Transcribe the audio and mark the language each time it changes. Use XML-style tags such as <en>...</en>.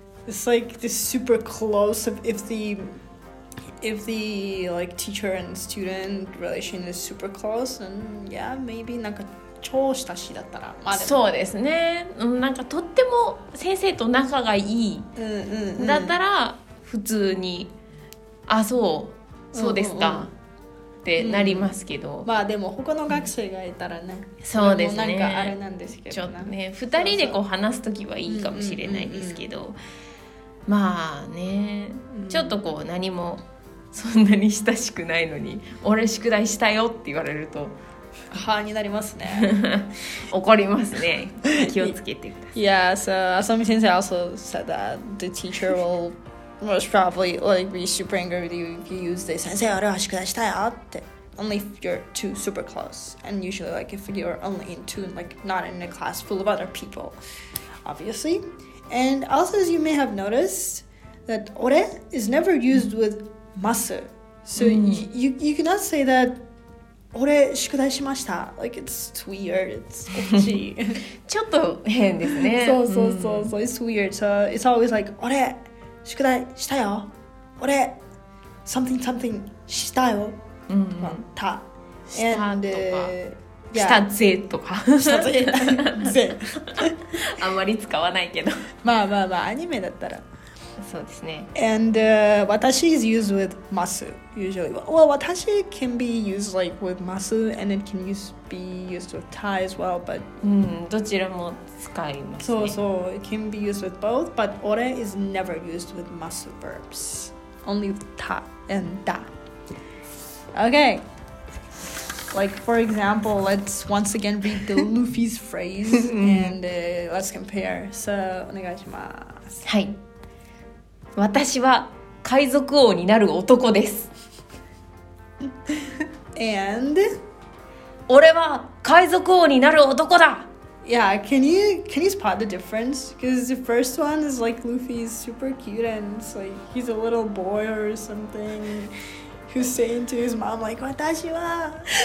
<en>It's like this super close of if the like teacher and student relation is super close, and yeah, maybe</en> <ja>なんか超親しいだったら、まあでも。そうですね。なんかとっても先生と仲がいいだったら普通に、あ、そう、そうですか。ってなりますけど、うん、まあでも他の学生がいたらね、そうですね、なんかあれなんですけど、ちょっとね2人でこう話すときはいいかもしれないですけど、うんうんうんうん、まあね、うん、ちょっとこう何もそんなに親しくないのに俺宿題したよって言われるとハーになりますね怒りますね、気をつけてください。</ja> <en>Yeah, so Asami 先生 also said that the teacher will most probably like be super angry with you if you use this</en> <ja>先生俺は宿題したよって</ja> <en>only if you're too super close and usually like if you're only in two like not in a class full of other people obviously. And also as you may have noticed that 俺 is never used with masu, so you cannot say that</en> <ja>俺宿題しました</ja> <en>like it's weird, it's itchy</en> <ja>ちょっと変ですね、そうそうそうそう、</ja> <en>it's weird, so it's always like</en> <ja>俺宿題したよ、俺</ja> <en>something something</en> <ja>したよ、したとか、</ja> <en>and, yeah.</en> <ja>したぜとかしたぜあんまり使わないけどまあまあまあアニメだったらそうですね。</ja> <en>And watashi is used with masu usually. Well, watashi can be used like with masu, and it can be used with tai as well. But</en> <ja>どちらも使いますね。そうそう、</ja> <en>it can be used with both. But ore is never used with masu verbs. Only ta and da. Okay. Like for example, let's once again read the Luffy's phrase and let's compare. So</en> <ja>お願いします。はい。私は海賊王になる男です。</ja> <en>And</en> <ja>俺は海賊王になる男だ。</ja> <en>Yeah, can you spot the difference? Because the first one is like Luffy's super cute and it's like he's a little boy or something who's saying to his mom like</en> <ja>私は</ja>